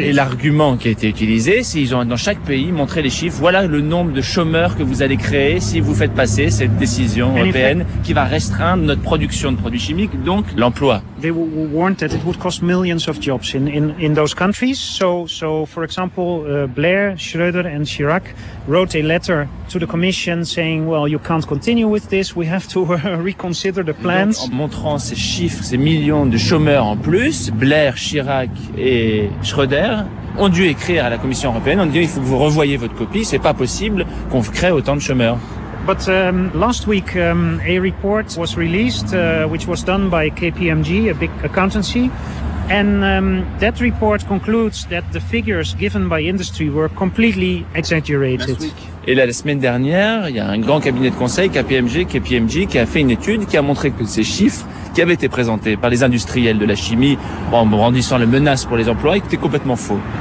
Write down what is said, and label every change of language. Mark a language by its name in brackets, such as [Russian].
[French] Et l'argument qui a été utilisé, c'est ils ont dans chaque pays montré les chiffres, voilà le nombre de chômeurs que vous allez créer si vous faites passer cette décision européenne qui va restreindre notre production de produits chimiques, donc l'emploi. [English] They warned that it would cost millions of jobs in those countries. So for example, Blair, Schröder and Chirac wrote a letter to the commission saying, well, you can't continue with this, we have to reconsider the plans. [French] Donc, en montrant ces chiffres, ces millions de chômeurs en plus, Blair, Chirac et Schröder ont dû écrire à la Commission européenne, ont dit il faut que vous revoyiez votre copie, c'est pas possible qu'on crée autant de chômeurs. [English] But last week a report was released which was done by KPMG, a big accountancy, And that report concludes that the figures given by industry were completely exaggerated. [French] Et là, la semaine dernière, il y a un grand cabinet de conseil, KPMG, qui a fait une étude qui a montré que ces chiffres qui avaient été présentés par les industriels de la chimie en brandissant la menace pour les emplois étaient complètement faux.